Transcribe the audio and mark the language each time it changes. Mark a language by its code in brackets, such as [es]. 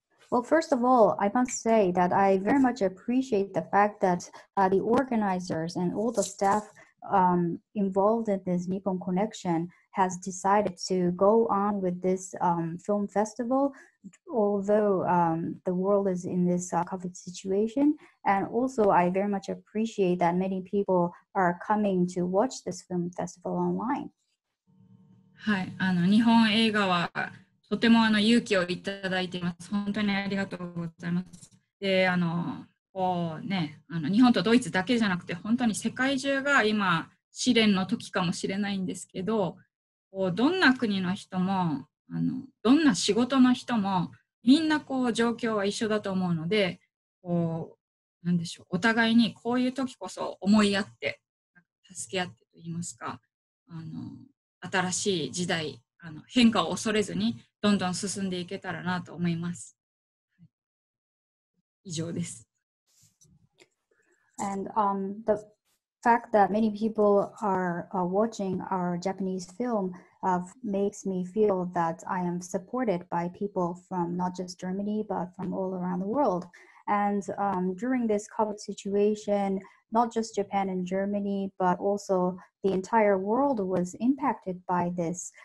[en] Well, first of all, I must say that I very much appreciate the fact that the organizers and all the staff involved in this Nippon Connection has decided to go on with this film festival, although the world is in this COVID situation. And also, I very much appreciate that many people are coming to watch this film festival online. [ja] はい、日本映画はとても勇気をいただいています。本当にありがとうございます。で、こうね、日本とドイツだけじゃなくて、本当に世界中が今、試練の時かもしれないんですけど、こうどんな国の人も、どんな仕事の人も、みんなこう状況は一緒だと思うので、こう、なんでしょう、お互いにこういう時こそ思い合って、助け合ってといいますか、新しい時代、変化を恐れずにどんどん進んでいけたらなと思います。以上です。 [en] And the fact that many people are watching our Japanese film makes me feel that I am supported by people from not just Germany but from all around the world. And during this COVID situation,Not just Japan and Germany, but also the entire world was impacted by this.